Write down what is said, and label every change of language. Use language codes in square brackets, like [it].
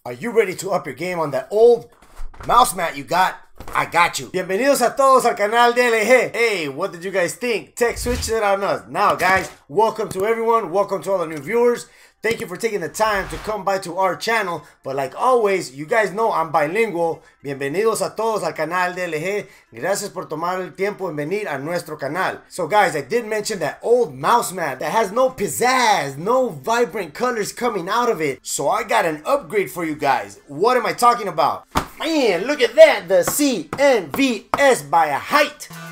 [en] Are you ready to up your game on that old mouse mat you got? I got you. [es] Bienvenidos a todos al canal de LG. [en] Hey, what did you guys think? Tech switched it on us. Now, guys, welcome to everyone. Welcome to all the new viewers. Thank you for taking the time to come by to our channel. But like always, you guys know I'm bilingual. [es] Bienvenidos a todos al canal de LG. Gracias por tomar el tiempo en venir a nuestro canal. [en] So guys, I did mention that old mouse mat that has no pizzazz, no vibrant colors coming out of it. So I got an upgrade for you guys. What am I talking about? Man, look at that, the CNVS by HYTE.